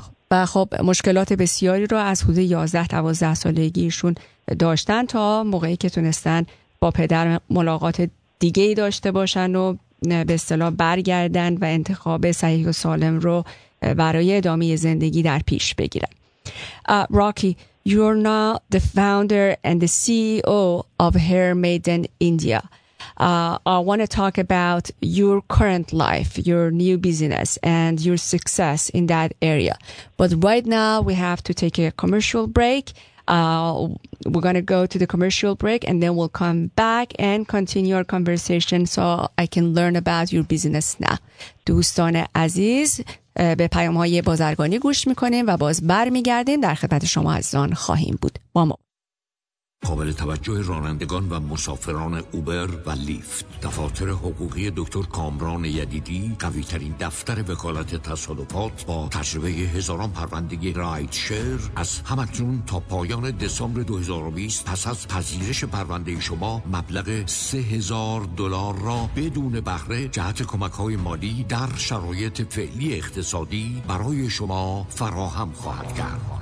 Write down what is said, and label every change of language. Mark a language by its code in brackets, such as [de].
[fa] و خب مشکلات بسیاری رو از حدود 11-12 سالگی ایشون داشتن تا موقعی که تونستن با پدر ملاقات دیگه ای داشته باشن و به اصطلاح برگردن و انتخاب صحیح و سالم رو برای ادامه زندگی در پیش بگیرن. [en] Rocky, you're now the founder and the CEO of Hair Made in India. I want to talk about your current life, your new business, and your success in that area. But right now, we have to take a commercial break. We're going to go to the commercial break, and then we'll come back and continue our conversation so I can learn about your business now. [fa] دوستان عزیز، به پیام های بازرگانی گوش میکنیم و باز بر میگردیم. در خدمت شما عزیزان خواهیم بود. با ما. قابل توجه رانندگان و مسافران اوبر و لیفت، دفاتر حقوقی دکتر کامران یدیدی، قوی ترین دفتر وکالت تصادفات با تجربه هزاران پروندگی رایت شیر، از همکنون تا پایان دسامبر 2020 پس از پذیرش پرونده شما مبلغ $3,000 را بدون بهره جهت کمک های مالی در شرایط فعلی اقتصادی برای شما فراهم خواهد کرد.